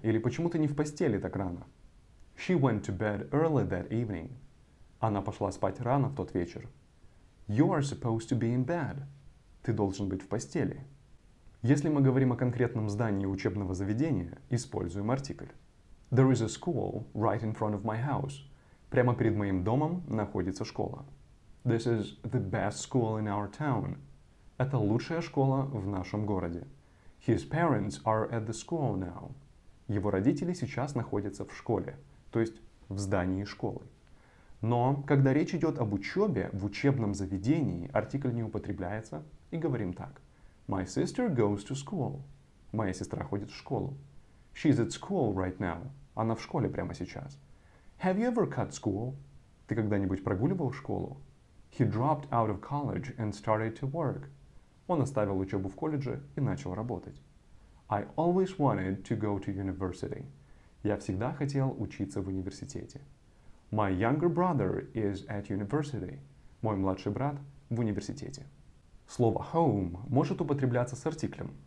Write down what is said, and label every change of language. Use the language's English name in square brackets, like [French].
[Russian] Или почему ты не в постели так рано? [English] She went to bed early that evening. [Russian] Она пошла спать рано в тот вечер. [English] You are supposed to be in bed. [Russian] Ты должен быть в постели. Если мы говорим о конкретном здании учебного заведения, используем артикль. [English] There is a school right in front of my house. [Russian] Прямо перед моим домом находится школа. [English] This is the best school in our town. [Russian] Это лучшая школа в нашем городе. [English] His parents are at the school now. [Russian] Его родители сейчас находятся в школе, то есть в здании школы. Но, когда речь идет об учебе в учебном заведении, артикль не употребляется, и говорим так. [English] My sister goes to school. [Russian] Моя сестра ходит в школу. [English] She's at school right now. [Russian] Она в школе прямо сейчас. [English] Have you ever cut school? [Russian] Ты когда-нибудь прогуливал школу? [English] He dropped out of college and started to work. [Russian] Он оставил учебу в колледже и начал работать. [English] I always wanted to go to university. [Russian] Я всегда хотел учиться в университете. [English] My younger brother is at university. [Russian] Мой младший брат в университете. Слово home может употребляться с артиклем.